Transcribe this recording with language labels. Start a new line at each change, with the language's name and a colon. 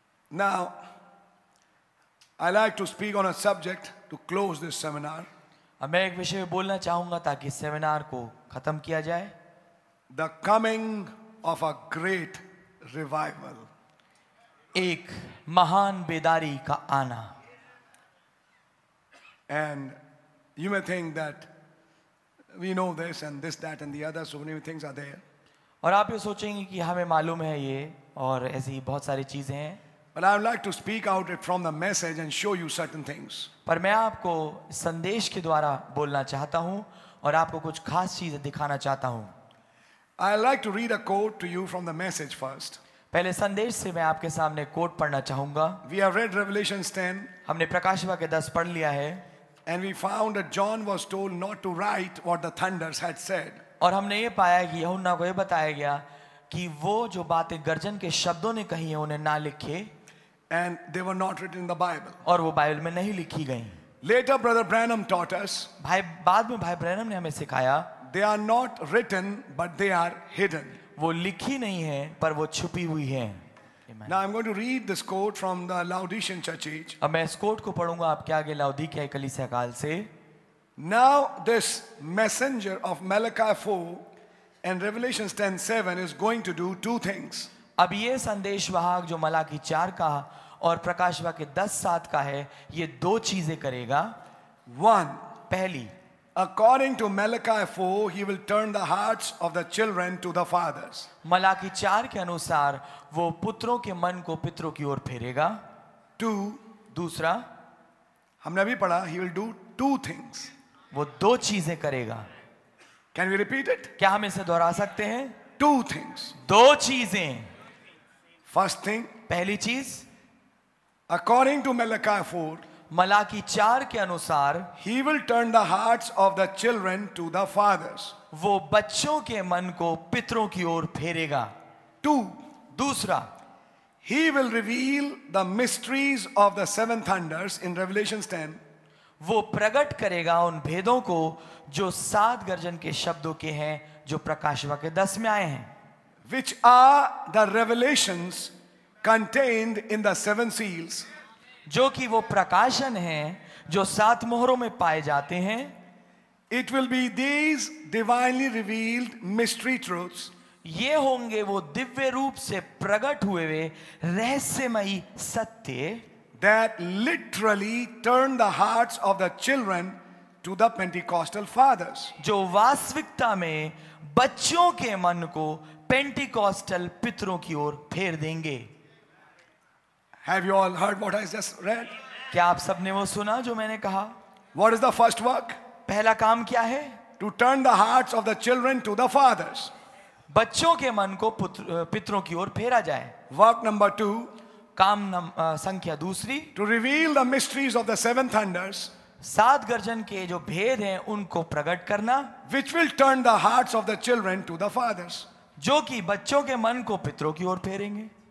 English: Now, I like to speak on a subject to close this seminar.
Hindi: मैं एक विषय बोलना चाहूँगा ताकि सेमिनार को खत्म किया जाए.
English: The coming of a great revival.
Hindi: एक महान बेदारी का आना.
English: And you may think that we know this and this, that and the other. So many things are there.
Hindi: और आप ये सोचेंगे कि हमें मालूम है ये और ऐसी बहुत सारी चीजें हैं.
English: But I would like to speak out it from the message and show you certain things.
Hindi: पर मैं आपको संदेश के द्वारा बोलना चाहता हूँ और आपको कुछ खास चीजें दिखाना चाहता हूँ.
English: I like to read a quote to you from the message first.
Hindi: पहले संदेश से मैं आपके सामने कोट पढ़ना चाहूंगा.
English: We have read Revelation 10.
Hindi: हमने प्रकाशवा के 10 पढ़ लिया है.
English: And we found that John was told not to write what the thunders had said.
Hindi: और हमने ये पाया कि यूहन्ना को ये बताया गया कि वो जो बातें गर्जन के शब्दों ने कही हैं उन्हें ना लिखे.
English: And they were not written in the Bible.
Hindi: और वो बाइबल में नहीं लिखी गईं.
English: Later, Brother Branham taught us.
Hindi: भाई बाद में भाई ब्रैनम ने हमें सिखाया.
English: They are not written, but they are hidden.
Hindi: वो लिखी नहीं है पर वो छुपी हुई है.
English: Now I'm going to read this quote from the Laodicean church age.
Hindi: अब मैं इस कोट को पढ़ूंगा आपके आगे लौदीकिया कलीसिया काल से.
English: Now this messenger of Malachi 4 and Revelation 10:7 is going to do two things.
Hindi: अब ये संदेश वाहक जो मलाकी 4 का और प्रकाशवा के 10:7 का है, ये दो चीजें करेगा.
English: One,
Hindi: पहली,
English: according to Malachi 4, he will turn the hearts of the children to the fathers.
Hindi: Malachi 4 के अनुसार वो पुत्रों के मन को पितरों की ओर फेरेगा.
English: Two,
Hindi: दूसरा, हमने अभी पढ़ा,
English: he will do two things.
Hindi: वो दो चीजें करेगा.
English: Can we repeat it?
Hindi: क्या हम इसे दोहरा सकते हैं?
English: Two things.
Hindi: दो चीजें.
English: first thing,
Hindi: पहली चीज,
English: according to Malachi 4,
Hindi: मलाकी 4 के अनुसार,
English: He will turn the hearts of the children to the fathers.
Hindi: वो बच्चों के मन को पितरों की ओर फेरेगा.
English: two,
Hindi: दूसरा,
English: He will reveal the mysteries of the seven thunders in Revelation 10.
Hindi: वो प्रकट करेगा उन भेदों को जो सात गर्जन के शब्दों के हैं जो प्रकाशवा के 10 में आए हैं.
English: Which are the revelations contained in the seven seals.
Hindi: जो कि वो प्रकाशन हैं जो सात मोहरों में पाए जाते हैं.
English: It will be these divinely revealed mystery truths.
Hindi: ये होंगे वो दिव्य रूप से प्रकट हुए वे रहस्यमयी सत्य.
English: That literally turn the hearts of the children to to the Pentecostal fathers.
Hindi: जो वास्तविकता में बच्चों के मन को Pentecostal पितरों की ओर फेर देंगे.
English: Have you all heard what I just read?
Hindi: क्या आप सबने वो सुना जो मैंने कहा?
English: What is the first work?
Hindi: पहला काम क्या है?
English: To turn the hearts of the children to the fathers.
Hindi: बच्चों के मन को पितरों की ओर फेरा जाए.
English: Work number two.
Hindi: काम संख्या दूसरी.
English: To reveal the mysteries of the seven thunders.
Hindi: सात गर्जन के जो भेद हैं उनको प्रकट करना.
English: Which will turn the hearts of the children to the fathers.
Hindi: जो कि बच्चों के मन को पितरों की ओर फेरेंगे.